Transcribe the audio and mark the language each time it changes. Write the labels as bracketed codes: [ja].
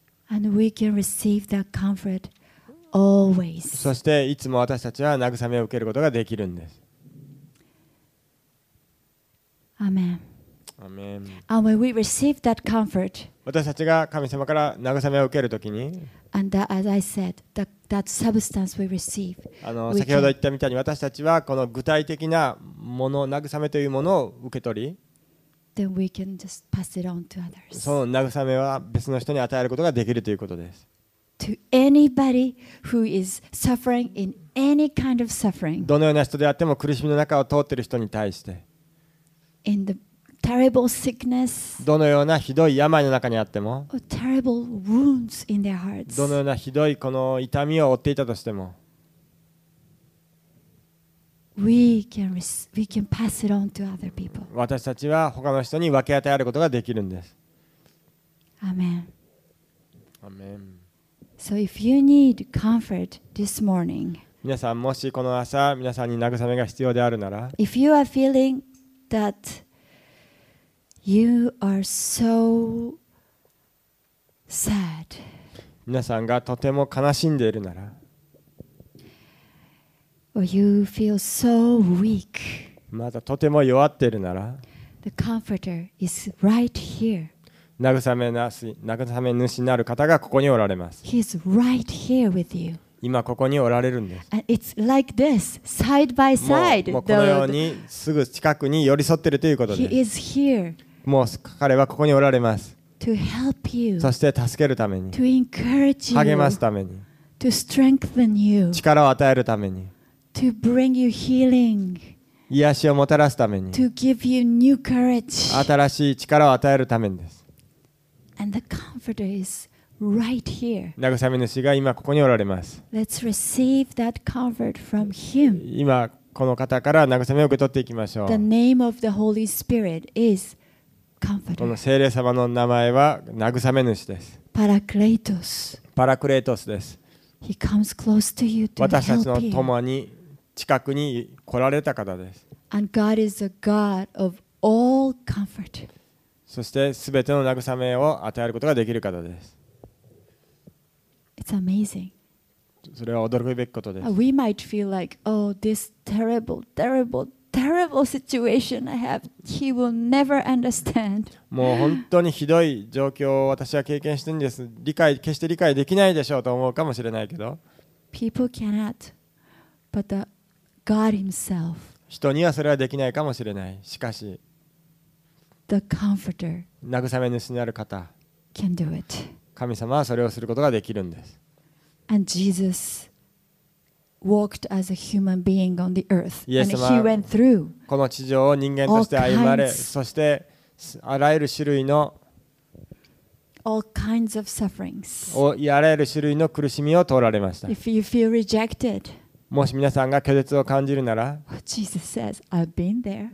[en] And we can receive that comfort always. [ja] そしていつも私たちは慰めを受けることができるんです。 [en] Amen. Amen. And when we receive that comfort, [ja] 私たちが神様から慰めを受けるときに、 [en] And that, as I said, that substance we receive. [ja] 先ほど言ったみたいに私たちはこの具体的なもの、慰めというものを受け取り、 [en] then we can just pass it on to others. [ja] その慰めは別の人に与えることができるということです。 [en] To anybody who is suffering in any kind of suffering. [ja] どのような人であっても苦しみの中を通っている人に対して、 [en] in the terrible sickness. [ja] どのようなひどい病の中にあっても、 [en] or terrible wounds in their hearts. [ja] どのようなひどいこの痛みを負っていたとしても、 [en] we can pass it on to other people. [ja] 私たちは他の人に分け与えることができるんです。 [en] Amen. Amen. So if you need comfort this morning, [ja] 皆さんもしこの朝皆さんに慰めが必要であるなら、 [en] if you are feeling that You are so sad. [ja] 皆さんがとても悲しんでいるなら、 [en] or you feel so weak. [ja] またとても弱っているなら、 [en] the comforter is right here. [ja] 慰め主なる方がここにおられます。 [en] He's right here with you. [ja] 今ここにおられるんです。 [en] And it's like this, side by side. [ja] もうこのようにすぐ近くに寄り添っているということです。 [en] He is here. [ja] もう彼はここにおられます。 [en] To help you, [ja] そして助けるために。 [en] To encourage you, [ja] 励ますために。 [en] To strengthen you, [ja] 力を与えるために。 [en] To bring you healing, [ja] 癒しをもたらすために。 [en] To give you new courage, [ja] 新しい力を与えるためにです。 [en] And the comforter is right here. [ja] 慰め主が今ここにおられます。 [en] Let's receive that comfort from him. [ja] 今この方から慰めを受け取っていきましょう。 [en] The name of the Holy Spirit is Comforter. [ja] この聖霊様の名前は慰め主です。 [en] Paracletos. [ja] パラクレトスです。 [en] He comes close to you to help you. [ja] 私たちの共に近くに来られた方です。 [en] And God is a God of all comfort. [ja] そして全ての慰めを与えることができる方です。 [en] It's amazing. [ja] それは驚くべきことです。 [en] We might feel like, oh, this terrible, terrible, terrible situation I have, he will never understand. [ja] もう本当にひどい状況を私は経験してるんです。理解、決して理解できないでしょうと思うかもしれないけど。 [en] People cannot, but the God himself. [ja] 人にはそれはできないかもしれない。しかし、 [en] The Comforter. [ja] 慰め主になる方。 [en] Can do it. [ja] 神様はそれをすることができるんです。 [en] And Jesus walked as a human being on the earth, and he went through [ja] この地上を人間として歩まれ、そしてあらゆる種類の [en] all kinds of sufferings, [ja] あらゆる種類の苦しみを通られました。 [en] If you feel rejected, [ja] もし皆さんが拒絶を感じるなら、 [en] Jesus says, "I've been there."